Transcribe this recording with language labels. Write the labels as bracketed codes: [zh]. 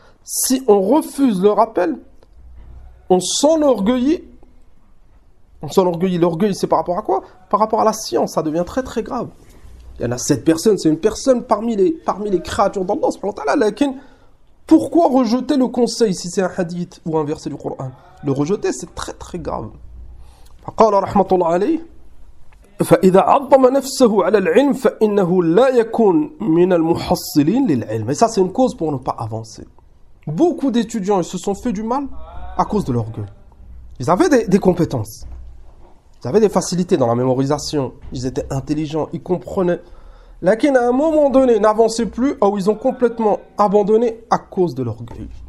[fr] Si on refuse le rappel, on s'enorgueillit. On s'enorgueillit. L'orgueil, c'est par rapport à quoi? Par rapport à la science. Ça devient très très grave. Il y en a cette personne. C'est une personne parmi les créatures d'Allah. Pourquoi rejeter le conseil si c'est un hadith ou un verset du Coran? Le rejeter, c'est très très grave. [ar] فقال رحمة الله عليه فإذا عظم نفسه على العلم فإنه لا يكون من المحصلين للعلم. [fr] Et ça, c'est une cause pour ne pas avancer. Beaucoup d'étudiants, ils se sont fait du mal à cause de l'orgueil. Ils avaient des compétences. Ils avaient des facilités dans la mémorisation. Ils étaient intelligents. Ils comprenaient. Lakin, à un moment donné, n'avançaient plus, ou ils ont complètement abandonné à cause de l'orgueil.